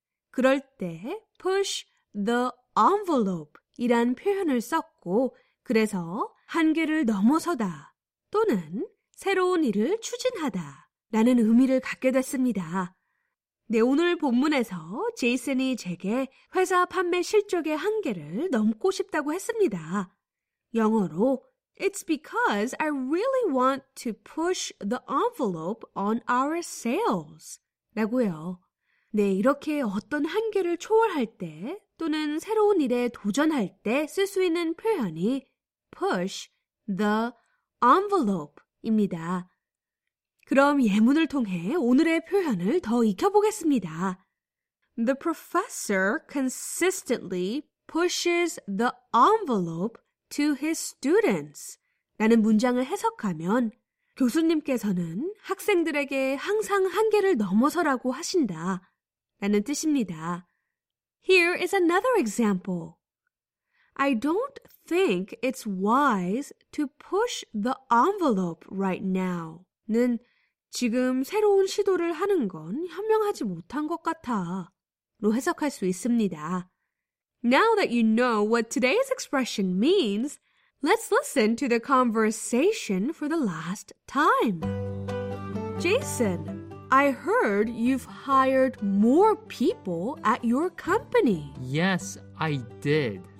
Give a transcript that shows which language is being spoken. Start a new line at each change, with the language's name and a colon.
Korean: 그럴 때 push the envelope 이란 표현을 썼고 그래서 한계를 넘어서다 또는 새로운 일을 추진하다 라는 의미를 갖게 됐습니다. 네, 오늘 본문에서 제이슨이 제게 회사 판매 실적의 한계를 넘고 싶다고 했습니다.
English: 영어로 It's because I really want to push the envelope on our sales.
Korean: 라고요. 네, 이렇게 어떤 한계를 초월할 때 또는 새로운 일에 도전할 때 쓸 수 있는 표현이 push the envelope입니다. 그럼 예문을 통해 오늘의 표현을 더 익혀보겠습니다.
English: The professor consistently pushes the envelope to his students.
Korean: 라는 문장을 해석하면 교수님께서는 학생들에게 항상 한계를 넘어서라고 하신다. 라는 뜻입니다.
English: Here is another example. I don't think it's wise to push the envelope right now.
Korean: 는 지금 새로운 시도를 하는 건 현명하지 못한 것 같아 로 해석할 수 있습니다.
English: Now that you know what today's expression means, let's listen to the conversation for the last time. Jason, I heard you've hired more people at your company. Yes, I did.